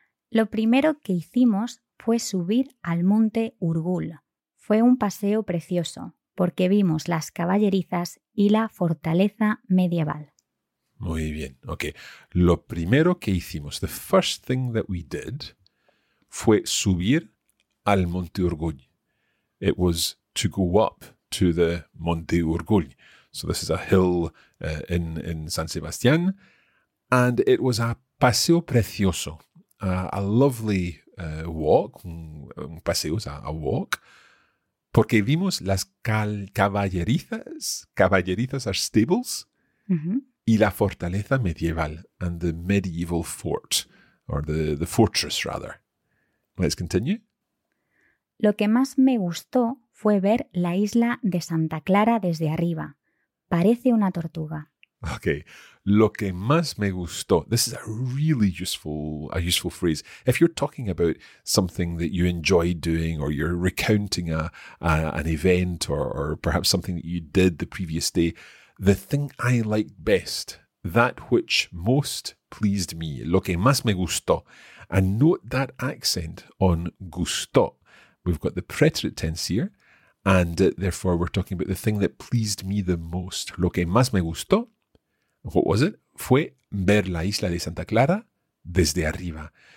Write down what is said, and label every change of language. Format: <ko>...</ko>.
<es>Lo primero que hicimos fue subir al monte Urgul. Fue un paseo precioso porque vimos las caballerizas y la fortaleza medieval. Muy bien, ok. Lo primero que hicimos,</es> <en>the first thing that we did,</en> <es>fue subir al monte Urgul.</es> <en>It was to go up to the monte Urgul. So this is a hill in San Sebastián, and it was a</en> <es>paseo precioso,</es> <en>a lovely walk,</en> <es>un paseo,</es> <en>a walk,</en> <es>porque vimos las caballerizas</es> <en>are stables,</en> <es>y la fortaleza medieval,</es> <en>and the medieval fort, or the fortress rather. Let's continue.</en> <es>Lo que más me gustó fue ver la isla de Santa Clara desde arriba. Parece una tortuga. Okay. lo que más me gustó.</es> <en>This is a really useful phrase. If you're talking about something that you enjoy doing, or you're recounting an event, or perhaps something that you did the previous day, the thing I liked best, that which most pleased me,</en> <es>lo que más me gustó.</es> <en>And note that accent on gustó. We've got the preterite tense here, and therefore we're talking about the thing that pleased me the most.</en> <es>Lo que más me gustó,</es> <en>what was it?</en> <es>Fue ver la isla de Santa Clara desde arriba.</es>